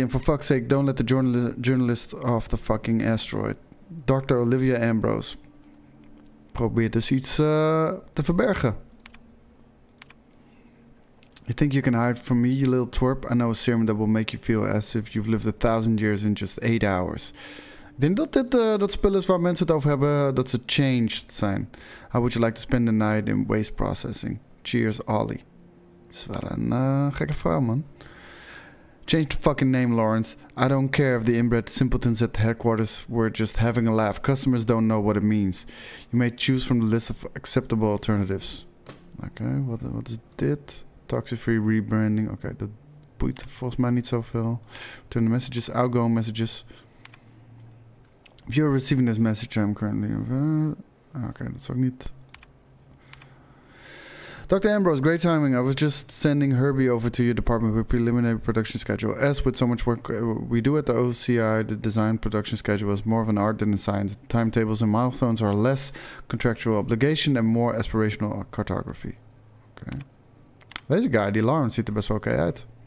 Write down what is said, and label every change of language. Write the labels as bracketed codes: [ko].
[en] And for fuck's sake, don't let the journalist off the fucking asteroid. Dr. Olivia Ambrose. [nl] Probeert dus iets te verbergen. [en] You think you can hide from me, you little twerp? I know a serum that will make you feel as if you've lived 1,000 years in just 8 hours. [nl] Ik denk dat dit dat spul is waar mensen het over hebben, dat ze changed zijn. [en] How would you like to spend the night in waste processing? Cheers, Ollie. [nl] Is wel een gekke vrouw, man. [en] Change the fucking name, Lawrence. I don't care if the inbred simpletons at the headquarters were just having a laugh. Customers don't know what it means. You may choose from the list of acceptable alternatives. Okay, what is dit? Toxic-free rebranding. [nl] Okay, dat boeit volgens mij niet zoveel. [en] Return the messages, outgoing messages. If you're receiving this message, I'm currently... [nl] Okay, dat is ook niet... [en] Dr. Ambrose, great timing. I was just sending Herbie over to your department with preliminary production schedule. As with so much work we do at the OCI, the design production schedule is more of an art than a science. Timetables and milestones are less contractual obligation and more aspirational cartography. Okay. [nl] Deze guy, die Lawrence, ziet er best wel oké uit.